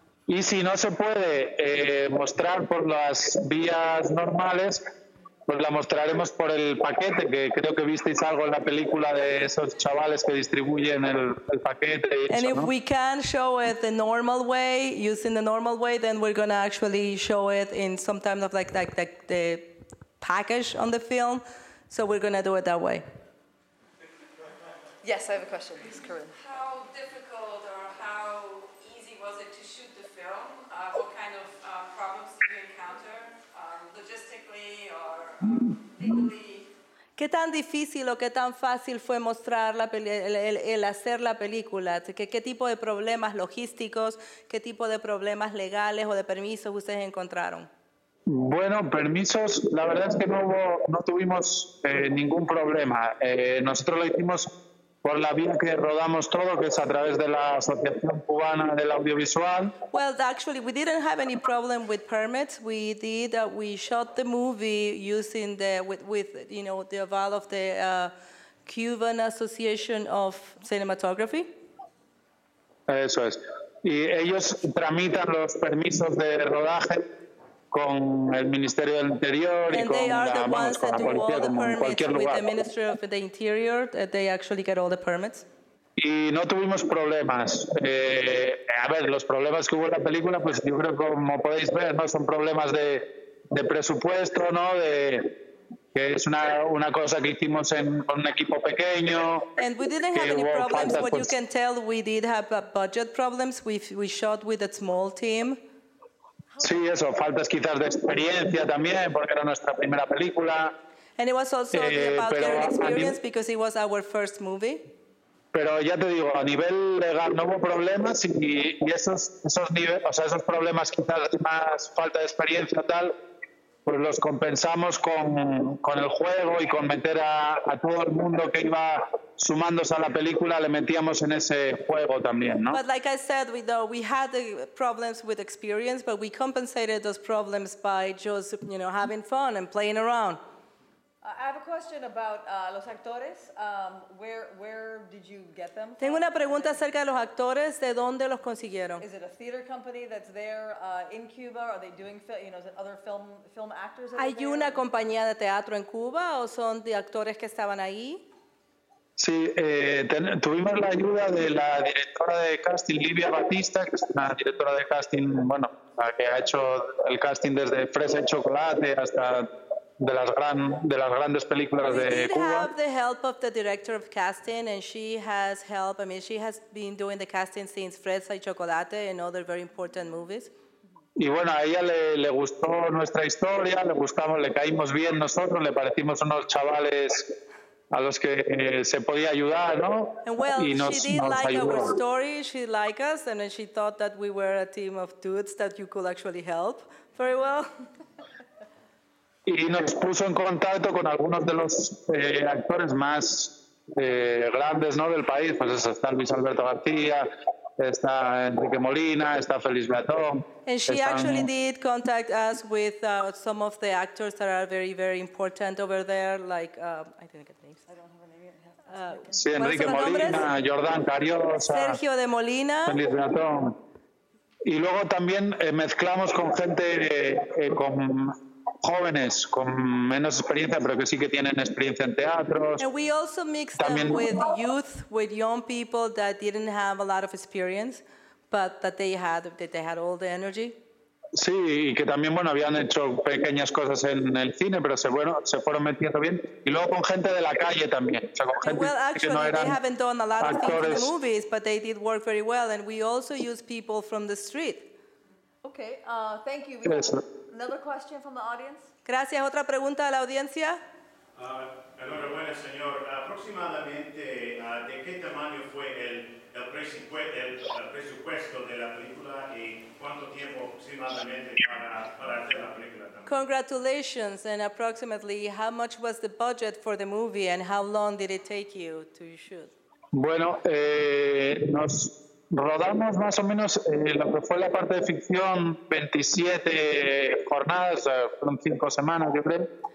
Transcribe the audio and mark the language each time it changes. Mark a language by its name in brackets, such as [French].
[Spanish] Y si no se puede mostrar por las vías normales, pues la mostraremos por el paquete, que creo que visteis algo en la película de esos chavales que distribuyen el paquete. Y [English] and [Spanish] eso, [English] if [Spanish] ¿no? [English] we can show it the normal way, using the normal way, then we're going to actually show it in some type of like the package on the film. So we're going to do it that way. Yes, I have a question. Please, Corinne. How difficult or how easy was it to shoot the film? What kind of problems did you encounter? Logistics? artistically or legally? [Spanish] ¿Qué tan difícil o qué tan fácil fue mostrar la el hacer la película? ¿Qué tipo de problemas logísticos, qué tipo de problemas legales o de permisos ustedes encontraron? Bueno, permisos, la verdad es que no tuvimos ningún problema. Nosotros lo hicimos por la vía que rodamos todo, que es a través de la Asociación Cubana del Audiovisual. [English] Well, actually, we didn't have any problem with permits. We did, we shot the movie using the, with you know, the aval of the Cuban Association of Cinematography. [Spanish] Eso es. Y ellos tramitan los permisos de rodaje con el Ministerio del Interior [English] and [Spanish] y con la, vamos, con la policía, como en cualquier lugar. [English] The Ministry of the Interior, they actually get all the permits. [Spanish] Y no tuvimos problemas. A ver, los problemas que hubo en la película, pues yo creo, como podéis ver, no son problemas de presupuesto, ¿no? De que es una cosa que hicimos con un equipo pequeño. [English] And we didn't have any problems. What you can tell, we did have budget problems. We shot with a small team. [Spanish] Sí, eso, faltas quizás de experiencia también, porque era nuestra primera película. [English] And it was also about their experience, because it was our first movie. [Spanish] Pero ya te digo, a nivel legal no hubo problemas, y esos problemas quizás más falta de experiencia tal, pues los compensamos con el juego y con meter a todo el mundo que iba sumándose a la película, le metíamos en ese juego también, ¿no? [English] But like I said, we had the problems with experience, but we compensated those problems by just, you know, having fun and playing around. I have a question about [Spanish] los actores. [English] Where did you get them? [Spanish] Tengo una pregunta acerca de los actores. ¿De dónde los consiguieron? [English] Is it a theater company that's there in Cuba? Are they doing, you know, is it other film actors? [Spanish] ¿Hay una compañía de teatro en Cuba o son de actores que estaban ahí? Sí, tuvimos la ayuda de la directora de casting, Livia Batista, que es una directora de casting, bueno, la que ha hecho el casting desde Fresa y Chocolate hasta de las grandes películas de Cuba. [English] We did have the help of the director of casting, and she has helped. I mean, she has been doing the casting since Fresa y Chocolate and other very important movies. [Spanish] Y bueno, a ella le gustó nuestra historia, le caímos bien nosotros, le parecimos unos chavales a los que se podía ayudar, ¿no? [English] And well, she did like our story, she liked us, and she thought that we were a team of dudes that you could actually help very well. [Spanish] Y nos puso en contacto con algunos de los actores más grandes, ¿no?, del país. Pues eso, está Luis Alberto García, está Enrique Molina, está Félix Beatón. [English] And she actually did contact us with some of the actors that are very, very important over there, like, I think it's names. [Spanish] Sí, Enrique Molina, Jordán Cariosa, Sergio de Molina, Félix Beatón. Y luego también mezclamos con gente, con jóvenes, con menos experiencia, pero que sí que tienen experiencia en teatros. [English] And we also mixed [Spanish] también [English] them with youth, with young people that didn't have a lot of experience, but that they had all the energy. [Spanish] Sí, y que también, bueno, habían hecho pequeñas cosas en el cine, pero se fueron metiendo bien. Y luego con gente de la calle también. O sea, con gente [English] well, actually, [Spanish] que no eran [English] they haven't done a lot of [Spanish] actores. [English] Things in the movies, but they did work very well. And we also used people from the street. Okay, thank you. Another question from the audience. [Spanish] Gracias. ¿Otra pregunta a la audiencia? Enhorabuena, señor. Aproximadamente, ¿de qué tamaño fue el presupuesto de la película y cuánto tiempo aproximadamente para hacer la película? [English] Congratulations. And approximately, how much was the budget for the movie and how long did it take you to shoot? [Spanish] Bueno, nos rodamos más o menos lo que fue la parte de ficción, 27 jornadas, fueron 5 semanas, yo creo.